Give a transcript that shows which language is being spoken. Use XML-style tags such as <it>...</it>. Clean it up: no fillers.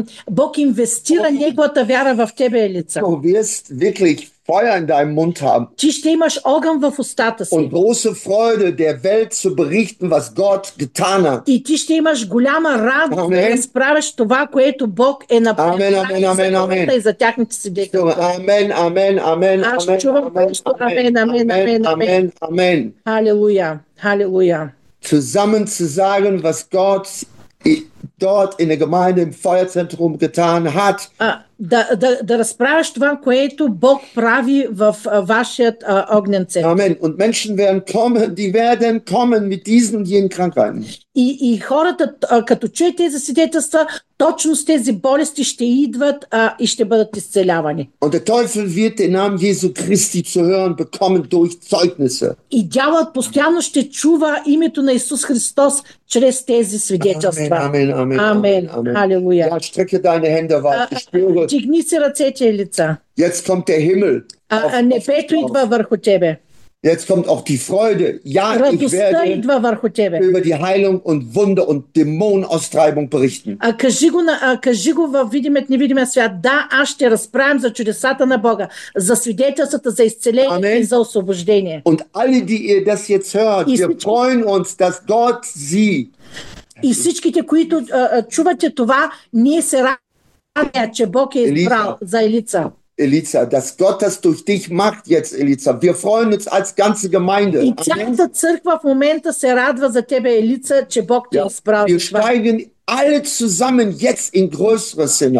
<bg>Бог инвестира неговата вяра в тебе, Елица.</bg> <de>Du wirst wirklich Feuer in deinem Mund haben.</de> <bg>Ти ще имаш огън в устата си.</bg> <de>Und große Freude der Welt zu berichten, was Gott getan hat.</de> <bg>И ти ще имаш голяма радост да разправиш това, което Бог е направил. Amen, amen, amen, amen. И за тяхните свидетели. Amen, amen, amen, amen. Аз чувам, amen, amen, amen, amen, amen, amen. Halleluja, halleluja.</bg> <de>Zusammen zu sagen, was Gott dort in der Gemeinde im Feuerzentrum getan hat.</de> <bg>Да разправиш това, което Бог прави в вашият огнен център. Amen.</bg> <de>Und Menschen werden kommen, die werden kommen mit diesen und jenen Krankheiten.</de> <bg>И хората, като чуят тези свидетелства, точно с тези болести ще идват и ще бъдат изцелявани.</bg> <de>Und der Teufel wird den Namen Jesu Christi zu hören bekommen durch Zeugnisse.</de> <bg>И дяволът постоянно ще чува името на Исус Христос чрез тези свидетелства. Amen, amen, amen. Halleluja.</bg> <de>Ja, strecke deine Hände weit, ich spüre.</de> <bg>Дигни си ръцете, Елица.</bg> <de>Jetzt kommt der Himmel.</de> <bg>Небето идва върху тебе.</bg> <de>Jetzt kommt auch die Freude. Ja,</de> <bg>Радостта идва върху тебе.</bg> <de>Über die Heilung und Wunder und Dämonenaustreibung berichten.</de> <bg>Кажи го във видимият, невидимият свят. Да, аз ще разправим за чудесата на Бога, за свидетелствата, за изцеление Amen. И за освобождение.</bg> <de>Und alle, die ihr das jetzt hört, wir freuen uns, dass Gott sie.</de> <bg>И всичките, които чувате това, ние се радваме.</bg> <de>Elisa, dass Gott das durch dich macht jetzt, Elisa. Wir freuen uns als ganze Gemeinde. Amen. Wir steigen alle zusammen jetzt in größeres</de>